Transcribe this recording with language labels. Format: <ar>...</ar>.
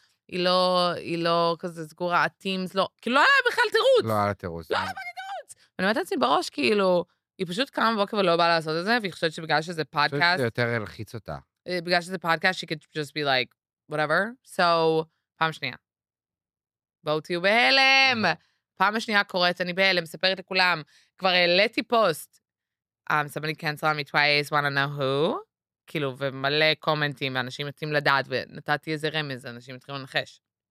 <he>היא לא כזה סגורה, הטימס, לא, כאילו, לא היה לה בכלל תירוץ. לא היה לה תירוץ. לא היה לה תירוץ. ואני אומרת עצמי בראש, כאילו, היא פשוט קמה בבוקר ולא באה לעשות את זה, והיא חושבת שבגלל שזה פודקאסט, זה יותר הלחיץ אותה. בגלל שזה פודקאסט, היא</he> <en>could just be like, whatever.</en> <he>So, פעם שנייה, בואו תהיו בהלם, פעם השנייה קורית, אני בהלם, מספרת לכולם, כבר העליתי פוסט,</he> <en>somebody canceled me twice, wanna know who,</en> <he>כאילו, ומלא קומנטים, ואנשים יוצאים לדעת, ונתתי איזה רמז, אנשים יתחילו לנחש.</he>